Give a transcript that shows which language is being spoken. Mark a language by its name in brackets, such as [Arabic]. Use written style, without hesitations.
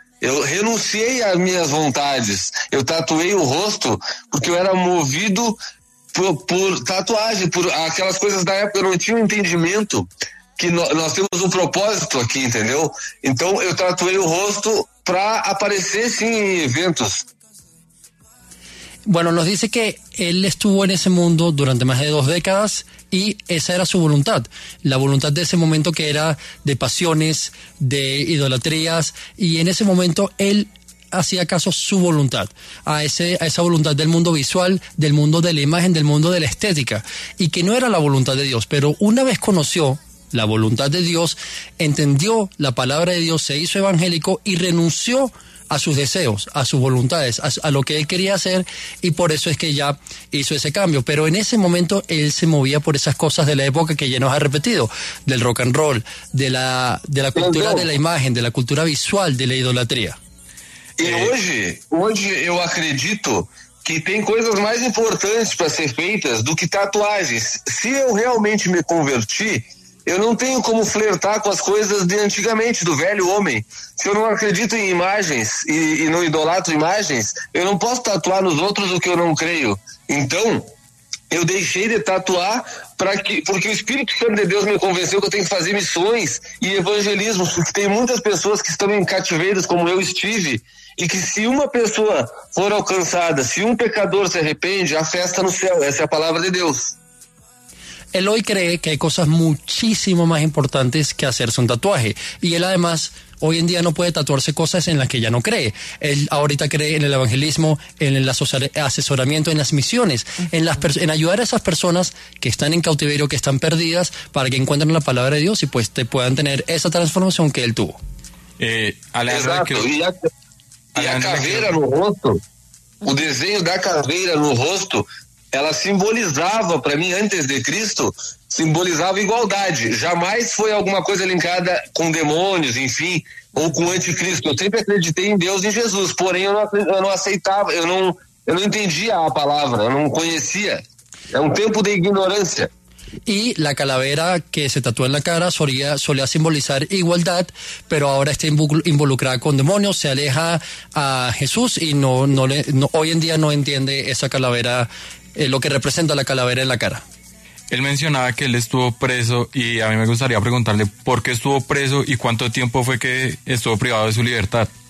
[Portuguese] Eu renunciei às minhas vontades, eu tatuei o rosto porque eu era movido por tatuagem, por aquelas coisas da época. Eu não tinha um entendimento que nós temos um propósito aqui, entendeu? Então eu tatuei o rosto para aparecer sim em eventos. [Spanish] Bueno, nos dice que él estuvo en ese mundo durante más de 2 décadas y esa era su voluntad. La voluntad de ese momento, que era de pasiones, de idolatrías, y en ese momento él hacía caso su voluntad, a esa voluntad del mundo visual, del mundo de la imagen, del mundo de la estética, y que no era la voluntad de Dios. Pero una vez conoció la voluntad de Dios, entendió la palabra de Dios, se hizo evangélico y renunció a sus deseos, a sus voluntades, a lo que él quería hacer, y por eso es que ya hizo ese cambio. Pero en ese momento él se movía por esas cosas de la época que ya nos ha repetido, del rock and roll, de la cultura de la imagen, de la cultura visual, de la idolatría. Y hoy yo [Portuguese] acredito que tem coisas mais importantes para ser feitas do que tatuagens. [Spanish] Si yo realmente me converti, [Portuguese] eu não tenho como flertar com as coisas de antigamente, do velho homem. Se eu não acredito em imagens e não idolatro imagens, eu não posso tatuar nos outros o que eu não creio. Então, eu deixei de tatuar porque o Espírito Santo de Deus me convenceu que eu tenho que fazer missões e evangelismo, porque tem muitas pessoas que estão em cativeiros, como eu estive, e que se uma pessoa for alcançada, se um pecador se arrepende, há festa no céu. Essa é a palavra de Deus. [Spanish] Él hoy cree que hay cosas muchísimo más importantes que hacerse un tatuaje. Y él además, hoy en día no puede tatuarse cosas en las que ya no cree. Él ahorita cree en el evangelismo, en el asesoramiento, en las misiones, en ayudar a esas personas que están en cautiverio, que están perdidas, para que encuentren la palabra de Dios y pues te puedan tener esa transformación que él tuvo. Alejandro, exacto, [Portuguese] E a caveira no rosto, o desenho da caveira no rosto, ela simbolizava para mim, antes de Cristo, simbolizava igualdade. Jamais foi alguma coisa linkada com demônios, enfim, ou com anticristo. Eu sempre acreditei em Deus e em Jesus, porém eu não aceitava, eu não entendia a palavra, eu não conhecia. É um tempo de ignorância. [Spanish] Y la calavera que se tatúa en la cara solía simbolizar igualdad, pero ahora está involucrada con demonios, se aleja a Jesús y no hoy en día no entiende esa calavera, lo que representa la calavera en la cara. Él mencionaba que él estuvo preso y a mí me gustaría preguntarle por qué estuvo preso y cuánto tiempo fue que estuvo privado de su libertad.